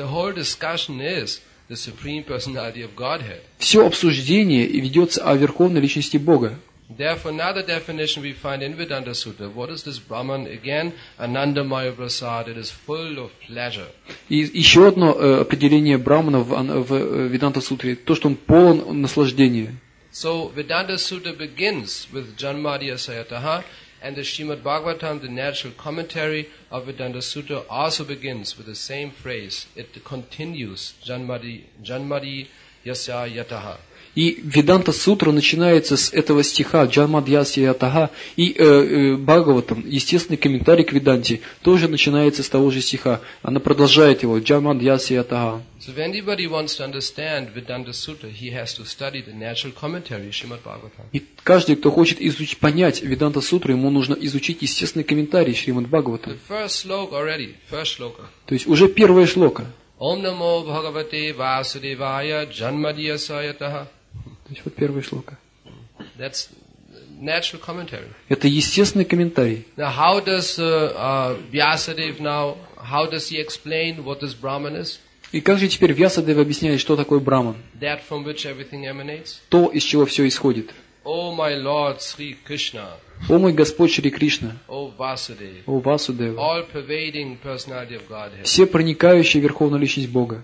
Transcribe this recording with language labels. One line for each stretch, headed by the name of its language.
English: The whole discussion is the supreme personality of Godhead.
Russian: Все обсуждение ведется о верховной личности Бога.
English: Therefore, another definition we find in Vedanta Sutra. What is this Brahman again?
Sanskrit: Ananda Maya Prasad.
English: It is full of pleasure.
Russian: И еще одно определение Брахмана в Веданта Сутре то, что он полон наслаждения.
English: So Vedanta Sutra begins with Janmadiya Sayataha. And the Srimad Bhagavatam, the natural commentary of Vedanta Sutra, also begins with the same phrase. It continues, Janmadi Yasya Yataha.
Russian: И Веданта Сутра начинается с этого стиха, Джанмад Ясья Ятаха, и Бхагаватам, естественный комментарий к Веданте, тоже начинается с того же стиха. Она продолжает его, Джанмад Ясья Ятаха.
English: So if anybody wants to understand Vedanta Sutra, he has to study the natural commentary Shrimad Bhagavatam.
Russian: И каждый, кто хочет понять Веданта Сутру, ему нужно изучить естественный комментарий Шримад Бхагаватам.
English: The first slok already, first shloka.
Russian: То есть уже первая шлока.
Sanskrit: Ом намо Бхагавате Васудевая Джанмадья Саятаха.
Russian: То есть вот первая шлока.
English: That's natural commentary.
Russian: Это естественный комментарий.
English: Now how does Vyasadeva now? How does he explain what this Brahman is?
Russian: И как же теперь Вьясадева объясняет, что такое Брахман?
English: That from which everything emanates.
Russian: То, из чего все исходит.
English: Oh my Lord, Sri Krishna.
Russian: О мой Господь Шри Кришна. О Васудева. О Васудева.
English: All pervading personality of Godhead.
Russian: Все проникающие верховную личность Бога.